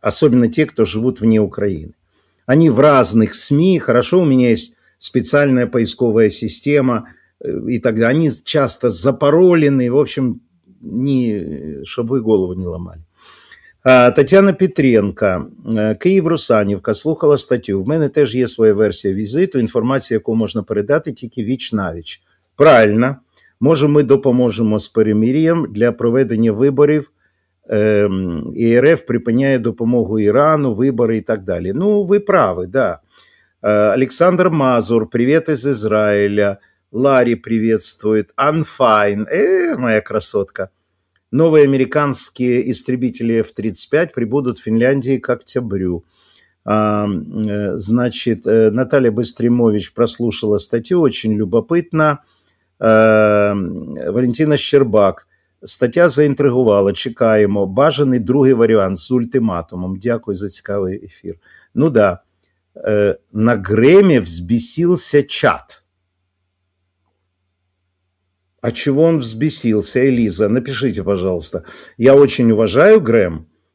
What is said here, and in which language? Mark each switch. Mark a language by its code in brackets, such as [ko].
[ru] Особенно те, кто живут вне Украины. Они в разных СМИ. Хорошо, у меня есть специальная поисковая система. И тогда они часто запаролены. В общем, чтобы вы голову не ломали. [uk] Татьяна Петренко, Київ Русанівка, слухала статью. В мене теж є своя версія візиту, інформація, яку можна передати, тільки віч-навіч. Правильно. Може, ми допоможемо з перемир'ям для проведення виборів. ЄРФ припиняє допомогу Ірану, вибори і так далі. Ну, ви праві, да. Олександр Мазур, привіт із Ізраїля. Ларі привітствує. Анфайн, моя красотка. [ru] Новые американские истребители F-35 прибудут в Финляндии к октябрю. Значит, Наталья Быстримович прослушала статью, очень любопытно. Валентина Щербак. Статья заинтриговала, чекаємо. [uk] Бажаний другий варіант з ультиматумом. Дякую за цікавий ефір. [ru] Ну да, на Греме взбесился чат. А чего он взбесился, Элиза? Напишите, пожалуйста. Я очень уважаю Грэм.